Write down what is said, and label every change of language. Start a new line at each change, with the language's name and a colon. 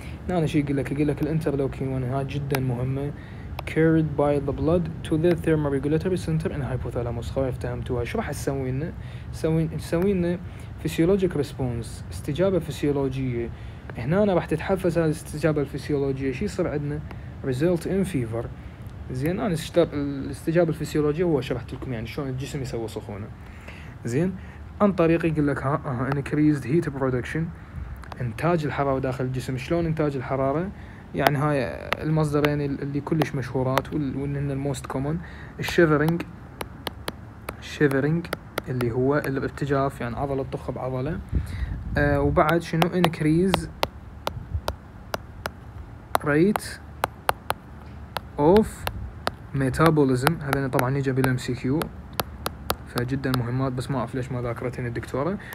Arabic: هنا شيء يقول لك الانتبلوكين 1 هاي جدا مهمه،
English: carried by the blood to the thermoregulatory center in hypothalamus.
Arabic: خلاص افتهمتوها. شو راح تسوي لنا؟ تسوي لنا
English: physiologic response،
Arabic: استجابة فسيولوجية. هنا أنا راح تتحفز هذه الاستجابة الفسيولوجية، شو يصير عندنا؟
English: result in fever.
Arabic: زين، أنا الاستجابة الفسيولوجية هو شرحت لكم يعني شلون الجسم يسوي سخونة. زين، عن طريق يقول لك
English: increased heat production،
Arabic: إنتاج الحرارة داخل الجسم. شلون إنتاج الحرارة؟ يعني هاي المصدرين اللي كلش مشهورات وإن الموست كومون، الشيفرينج اللي هو الارتجاف، يعني عضلة تطخ بعضلة. وبعد شنو؟
English: increase rate of metabolism.
Arabic: هذين طبعا يجي بالام سي كيو، فجدا مهمات بس ما اعرف ليش ما ذاكرتين الدكتورة.